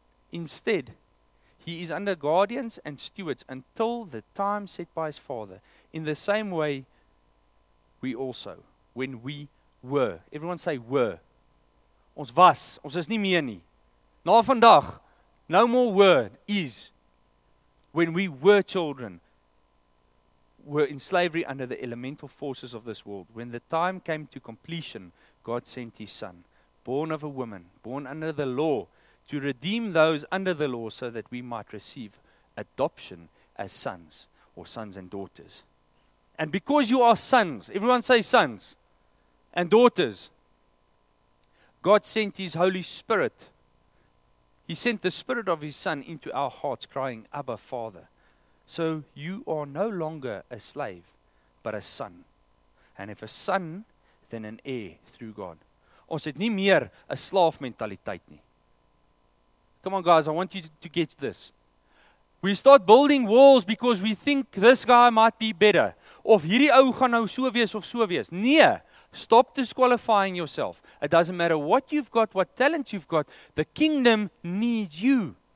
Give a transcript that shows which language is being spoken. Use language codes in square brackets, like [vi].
[en] Instead, he is under guardians and stewards until the time set by his father. In the same way, we also, when we were. Everyone say were. [af] Ons was, ons is nie meer nie. [en] Na vandag, no more were, is. When we were children, were in slavery under the elemental forces of this world. When the time came to completion, God sent his son, born of a woman, born under the law, to redeem those under the law so that we might receive adoption as sons or sons and daughters. And because you are sons, everyone say sons and daughters, God sent his Holy Spirit. He sent the Spirit of his Son into our hearts, crying, Abba, Father. So you are no longer a slave, but a son. And if a son, then an heir through God. [af] Ons het nie meer 'n slaaf mentaliteit nie. [en] Come on guys, I want you to get this. We start building walls because we think this guy might be better. [af] Of hierdie ou gaan nou so wees of so wees. Nee, [en] stop disqualifying yourself. It doesn't matter what you've got, what talent you've got. The kingdom needs you.